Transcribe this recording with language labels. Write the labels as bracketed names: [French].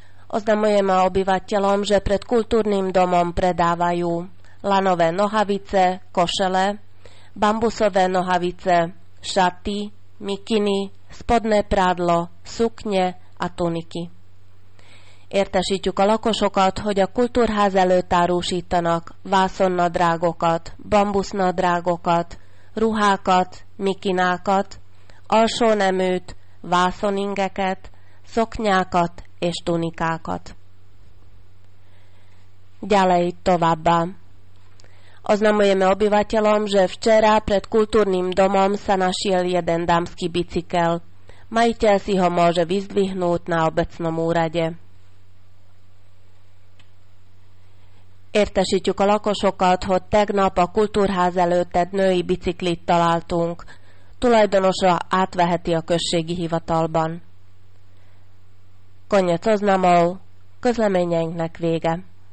[Slovak] Oznamujeme obyvateľom, že pred kultúrnym domom predávajú lanové nohavice, košele, bambusové nohavice, šaty, mikiny, spodné prádlo, sukne a tuniky. [Hungarian] Értesítjük a lakosokat, hogy a kultúrház előtt árusítanak vászonnadrágokat, bambusznadrágokat, ruhákat, mikinákat, alsóneműt, vászoningeket, szoknyákat és tunikákat. [Slovak] Ďalej [Hungarian] továbbá. [Slovak] Oznamujeme obyvateľom, že včera pred kultúrnym domom sa našiel jeden dámsky bicykel. Majiteľ si ho môže vyzdvihnúť na obecnom úrade. [Hungarian] Értesítjük a lakosokat, hogy tegnap a kultúrház előtt egy női biciklit találtunk. Tulajdonosa átveheti a községi hivatalban. [Slovak] Konec oznamov, [Hungarian] közleményeinknek vége.